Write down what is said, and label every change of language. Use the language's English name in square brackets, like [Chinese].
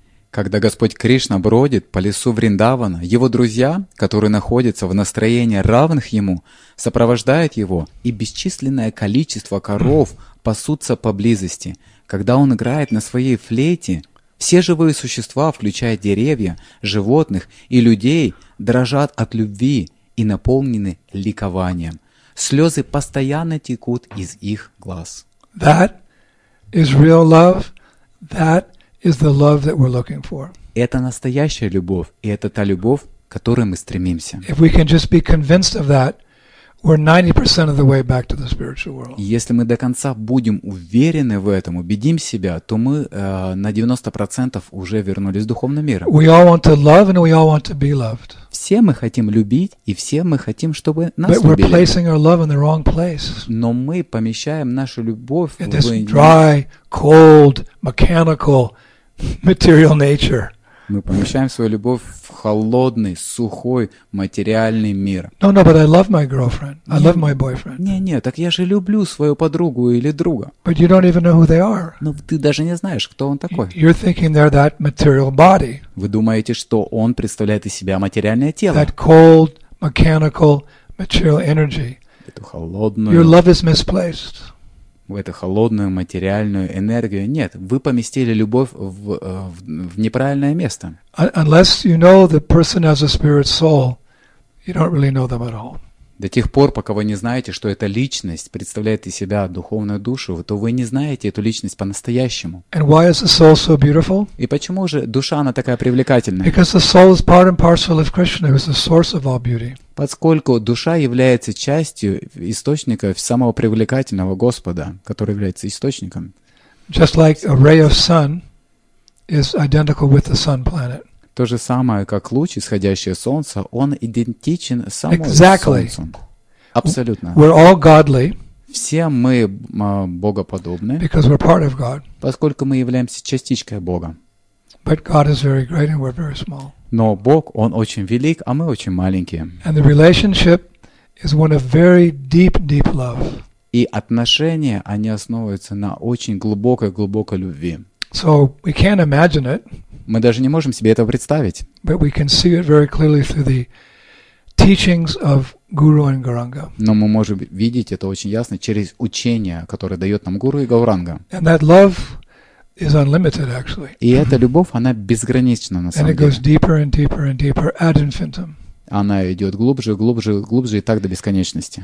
[Russian] Когда Господь Кришна бродит по лесу Вриндавана, его друзья, которые находятся в настроении равных ему, сопровождают его, и бесчисленное количество коров пасутся поблизости. Когда он играет на своей флейте, все живые существа, включая деревья, животных и людей, дрожат от любви и наполнены ликованием. Слезы постоянно текут из их глаз. [English] That is real love. That is the love that we're looking for. [Russian] Это настоящая любовь, и это та любовь, к которой мы стремимся. [English] If we can just be convinced of that, we're 90% of the way back to the spiritual world. [Russian] Если мы до конца будем уверены в этом, убедим себя, то мы на 90% уже вернулись в духовный мир. [English] We all want to love and we all want to be loved. [Russian] Все мы хотим любить и все мы хотим, чтобы нас [English] But [Russian] любили. [English] We're placing our love in the wrong place. [Russian] Но мы помещаем нашу любовь [English] in this dry, cold, mechanical, material nature. [Russian] Мы помещаем свою любовь в холодный, сухой, материальный мир. [English] No, but I love my girlfriend. I love my boyfriend. [Russian] Не, так я же люблю свою подругу или друга. [English] But you don't even know who they are. [Russian] Но ты даже не знаешь, кто он такой. [English] You're thinking they're that material body. [Russian] Вы думаете, что он представляет из себя материальное тело. [English] That cold, mechanical, material energy. [Russian] Эту холодную. [English] Your love is misplaced. [Russian] В эту холодную материальную энергию. Нет, вы поместили любовь в неправильное место. [English] Unless you know the person as a spirit soul, you don't really know them at all. [Russian] До тех пор, пока вы не знаете, что эта личность представляет из себя духовную душу, то вы не знаете эту личность по-настоящему. [English] And why is the soul so beautiful? [Russian] И почему же душа, она такая привлекательная? [English] Because the soul is part and parcel of Krishna, who is the source of all beauty. [Russian] Поскольку душа является частью источника самого привлекательного Господа, который является источником. [English] Just like a ray of sun is identical with the sun planet. [Russian] То же самое, как луч, исходящий от солнца, он идентичен самому [English] exactly. [Russian] солнцу. Абсолютно. [English] We're all godly. [Russian] Все мы богоподобны. [English] Because we're part of God. [Russian] Поскольку мы являемся частичкой Бога. [English] But God is very great and we're very small. [Russian] Но Бог, он очень велик, а мы очень маленькие. [English] And the relationship is one of very deep, deep love. [Russian] И отношения, они основываются на очень глубокой, глубокой любви. [English] So we can't imagine it. [Russian] Мы даже не можем себе этого представить. [English] But we can see it very clearly through the teachings of Guru and Gauranga. [Russian] Но мы можем видеть это очень ясно через учения, которые дает нам Гуру и Гауранга. [English] And that love is unlimited, actually. [Russian] И эта любовь, она безгранична на самом деле. [English] And it goes deeper and deeper and deeper ad infinitum. [Russian] Она идет глубже, глубже, глубже и так до бесконечности.